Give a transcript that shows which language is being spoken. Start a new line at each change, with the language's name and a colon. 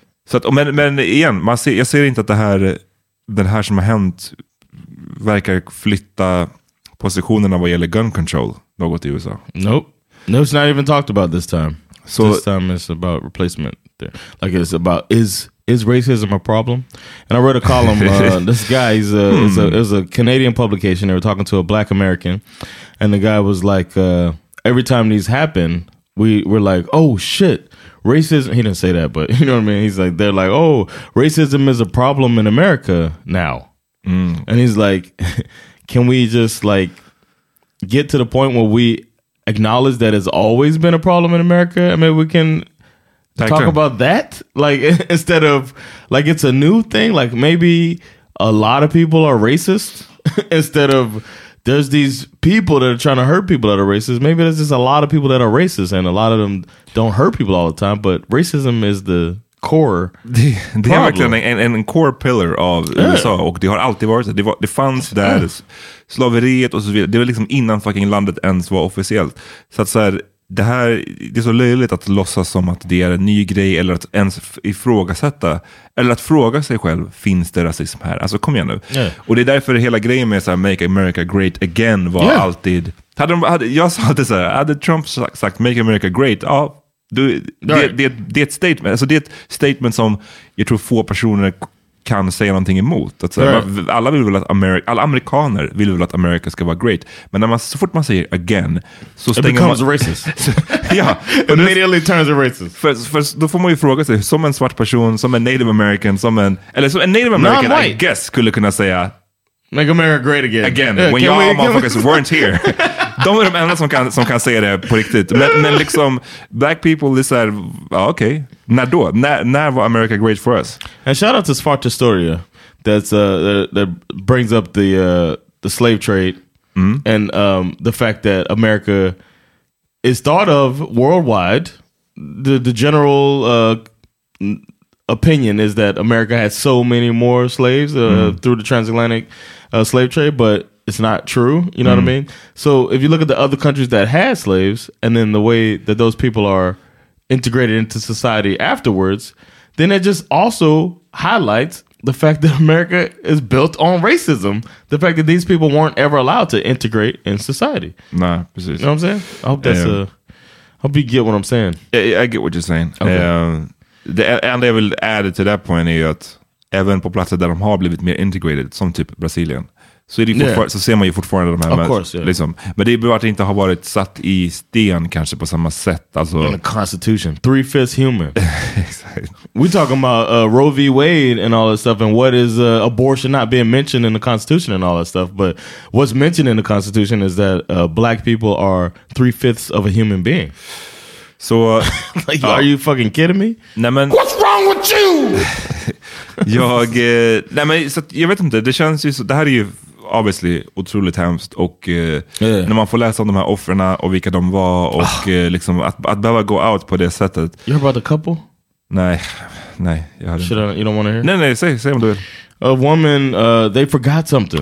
Swedish: Så att, men igen, jag ser inte att det här som har hänt verkar flytta positionerna vad gäller gun control något i USA.
English: Nope. No, it's not even talked about this time. So, this time it's about replacement there. Like it's about is racism a problem? And I wrote a column. this guy is a Canadian publication. They were talking to a black American, and the guy was like, every time these happen, we were like, oh shit, racism. He didn't say that, but you know what I mean? He's like, they're like, oh, racism is a problem in America now. Mm. And he's like, can we just, like, get to the point where we acknowledge that it's always been a problem in America? I mean, we can talk about that, like, instead of, like, it's a new thing. Like, maybe a lot of people are racist instead of there's these people that are trying to hurt people that are racist. Maybe there's just a lot of people that are racist, and a lot of them don't hurt people all the time, but racism is the... core.
Swedish: Det är verkligen en core pillar av USA, och det har alltid varit så. Det fanns där, slaveriet och så vidare. Det var liksom innan fucking landet ens var officiellt. Så att såhär, det är så löjligt att låtsas som att det är en ny grej, eller att ens ifrågasätta, eller att fråga sig själv, finns det rasism här? Alltså kom igen nu.
English: Yeah.
Swedish: Och det är därför hela grejen med såhär
English: make America great again
Swedish: var alltid... Jag sa alltid såhär, hade Trump sagt
English: make America great,
Swedish: ja. Det är ett statement. Alltså, det är ett statement som jag tror få personer kan säga någonting emot. Att säga, alla vill väl att alla amerikaner vill väl att Amerika ska vara great. Men när man, så fort man säger again, så stänger man...
English: It becomes racist.
Swedish: Ja.
English: Immediately turns a racist.
Swedish: För då får man ju fråga sig, som en svart person, som en Native American, som en Native American, I guess, skulle kunna säga...
English: Make America great again. Again, yeah, when y'all motherfuckers weren't here.
Swedish: De är de enda som kan säga det på riktigt. Men liksom,
English: black people,
Swedish: det är såhär, okej. När då? När var
English: America great for us? And shout out to Sparta Storia that brings up the slave trade and the fact that America is thought of worldwide. The general opinion is that America had so many more slaves through the transatlantic slave trade, but it's not true, you know what I mean? So if you look at the other countries that had slaves, and then the way that those people are integrated into society afterwards, then it just also highlights the fact that America is built on racism. The fact that these people weren't ever allowed to integrate in society.
Swedish: Nah, precis.
English: You know what I'm saying? I hope that's I hope you get what I'm saying. I get what you're saying. Okay. And they will add it to that point is that
Swedish: även på platser där de har blivit mer integrated, som typ Brasilien, så ser man ju fortfarande de här liksom. Men det är bara att det inte har varit satt i sten kanske på samma sätt. Alltså,
English: in the constitution. 3/5 human. Exactly. We're talking about Roe v. Wade and all that stuff, and what is abortion not being mentioned in the constitution and all that stuff, but what's mentioned in the constitution is that black people are 3/5 of a human being. So, like, are you fucking kidding me?
Swedish: Nej, men,
English: what's wrong with you?
Swedish: Jag, nej men så jag vet inte, det känns ju så, det här är ju obviously otroligt hemskt, och när man får läsa om de här offren och vilka de var, och liksom att behöva gå out på det sättet.
English: You heard about the couple?
Swedish: Nej, jag hade
English: inte. You don't want to hear?
Swedish: Nej, säg om du vill.
English: A woman, they forgot something.